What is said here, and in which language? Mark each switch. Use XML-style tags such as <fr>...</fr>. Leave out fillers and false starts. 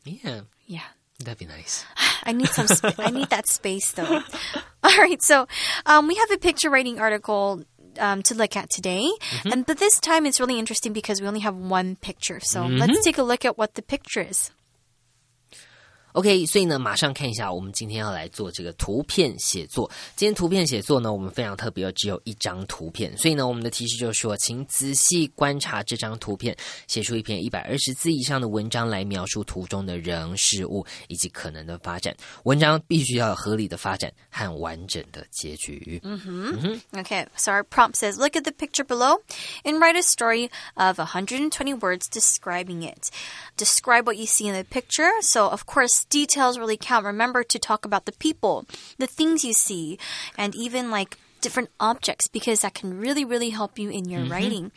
<en>Yeah. That'd be nice. I need that space though. All right. So we have a picture writing article to look at today. Mm-hmm. But this time it's really interesting because we only have one picture. So let's take a look at what the picture is.</en> <zh>OK, 所以呢，马上看一下我们今天要来做这个图片写作。今天图片写作呢，我们非常特别，只有一张图片。所以呢，我们的提示就是说，请仔细观察这张图片，写出一篇120字以上的文章来描述图中的人、事物以及可能的发展。文章必须要有合理的发展和完整的结局。</zh> <en>OK, so our prompt says, look at the picture below and write a story of 120 words describing it. Describe what you see in the picture. So, of course, details really count. Remember to talk about the people, the things you see, and even different objects because that can really, really help you in your writing.</en>